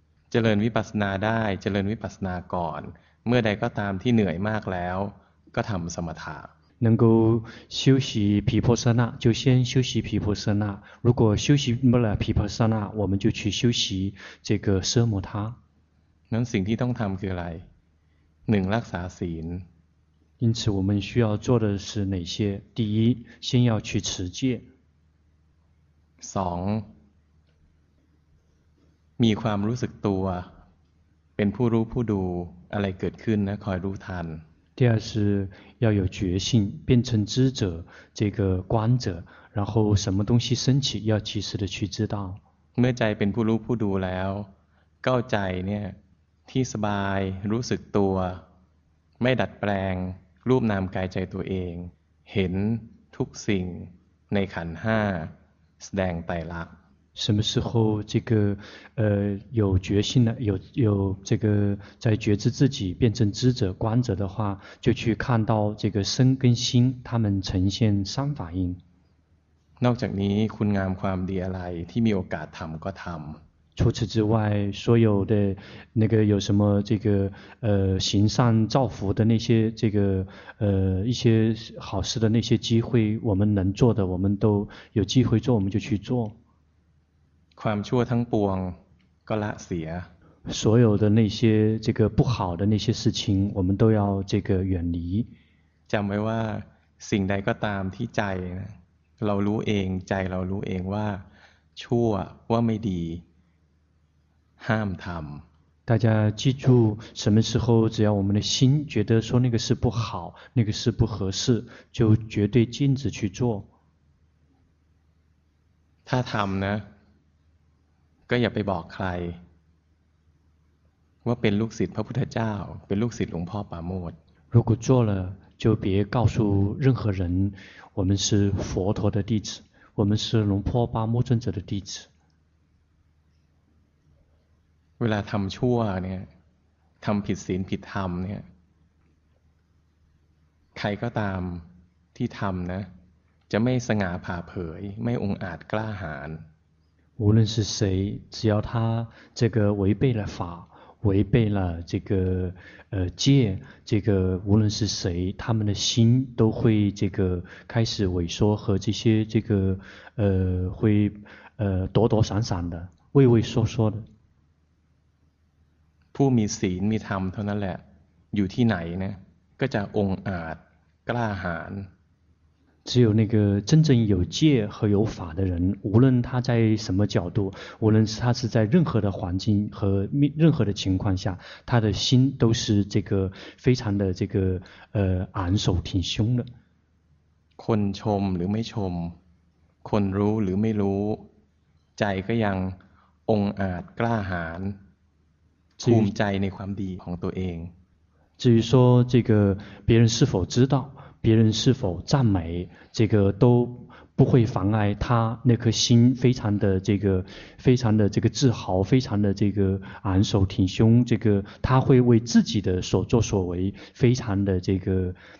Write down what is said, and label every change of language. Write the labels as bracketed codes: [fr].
[th] เจริญวิปัสสนาได้เจริญวิปัสสนาก่อนเมื่อใดก็ตามที่เหนื่อยมากแล้วก็ทำสมถะ [zh] 能够修习毗婆舍那就先修习毗婆舍那如果修习不了毗婆舍那我们就去修习这个奢摩他 [th] นั้นสิ่งที่ต้องทำคืออะไร1รักษาศีล [zh] 因此我们需要做的是哪些第一先要去持戒 [th] 2มีความรู้สึกตัวเป็นผู้รู้ผู้ดูอะไรเกิดขึ้นนะคอยรู้ทัน [zh] 第二是要有觉性变成知者这个观者然后什么东西升起要及时的去知道 [th] เมื่อใจเป็นผู้รู้ผู้ดูแล้วเข้าใจเนี่ยที่สบายรู้สึกตัวไม่ดัดแปลงรูปนามกายใจตัวเองเห็นทุกสิ่งในขันธ์5แสดงไตรลักษณ์ [zh] 什么时候这个有觉性了有这个在觉知自己变成知者观者的话就去看到这个身跟心他们呈现三法印 [th] นอกจากนี้คุณงามความดีอะไรที่มีโอกาสทำก็ทำ [zh] 除此之外所有的那个有什么这个行善造福的那些这个一些好事的那些机会我们能做的我们都有机会做我们就去做 [th] ความชั่วทั้งปวงก็ละเสีย [zh] 所有的那些这个不好的那些事情我们都要这个远离 [th] จำไว้ว่าสิ่งใดก็ตามที่ใจเรารู้เองใจเรารู้เองว่าชั่วว่าไม่ดีห้ามทำ [zh] 大家记住什么时候只要我们的心觉得说那个是不好那个是不合适就绝对禁止去做 [th] ถ้าทำนะก็อย่าไปบอกใครว่าเป็นลูกศิษย์พระพุทธเจ้าเป็นลูกศิษย์หลวงพ่อปราโมท [zh] 如果做了就别告诉任何人我们是佛陀的弟子我们是龙婆巴木尊者的弟子 [th] เวลาทำชั่วเนี่ยทำผิดศีลผิดธรรมเนี่ยใครก็ตามที่ทำนะจะไม่สง่าผ่าเผยไม่องอาจกล้าหาญ [zh] 无论是谁只要他这个违背了法违背了这个戒这个无论是谁他们的心都会这个开始萎缩和这些这个会躲躲闪闪的畏畏缩缩的 [th] ผู้มีศีลมีธรรมเท่านั้นแหละอยู่ที่ไหนนะก็จะองอาจกล้าหาญ [zh] 只有那个真正有戒和有法的人无论他在什么角度无论他是在任何的环境和任何的情况下他的心都是这个非常的这个昂首挺胸的 [th] คนชมหรือไม่ชมคนรู้หรือไม่รู้ใจก็ยังองอาจกล้าหาญภูมิใจในความดีของตัวเอง [zh] 至于说这个别人是否知道别人是否赞美这个都不会妨碍他那颗心非常的这个非常的这个自豪非常的这个昂首挺胸这个他会为自己的所作所为非常的这个